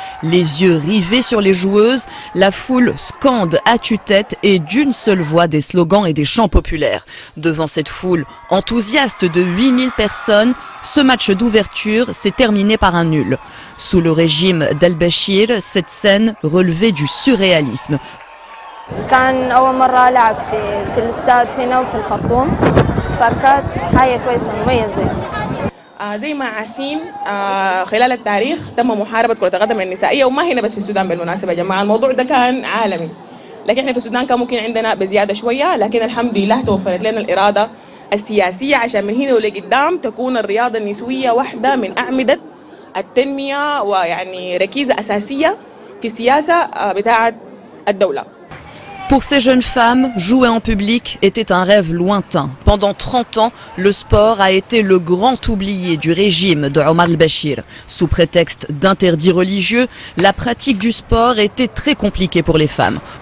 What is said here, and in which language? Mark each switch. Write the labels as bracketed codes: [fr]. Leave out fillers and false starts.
[fr] Les yeux rivés sur les joueuses, la foule scande à tue-tête et d'une seule voix des slogans et des chants populaires. Devant cette foule enthousiaste de 8000 personnes, ce match d'ouverture s'est terminé par un nul. Sous le régime d'El-Béchir, cette scène relevait du surréalisme. [ar] كان أول مرة ألعب في الاستاد هنا وفي الخرطوم فكانت حاجة كويسة مميزة زي ما عارفين خلال التاريخ تم محاربة كرة القدم النسائية وما هنا بس في السودان بالمناسبة يا جماعة الموضوع ده كان عالمي لكن احنا في السودان كان ممكن عندنا بزيادة شوية لكن الحمد لله توفرت لنا الإرادة السياسية عشان من هنا ولقدام تكون الرياضة النسوية واحدة من أعمدة التنمية ويعني ركيزة أساسية في السياسة بتاعة الدولة. [fr] Pour ces jeunes femmes, jouer en public était un rêve lointain. Pendant 30 ans, le sport a été le grand oublié du régime de Omar al-Béchir. Sous prétexte d'interdits religieux, la pratique du sport était très compliquée pour les femmes.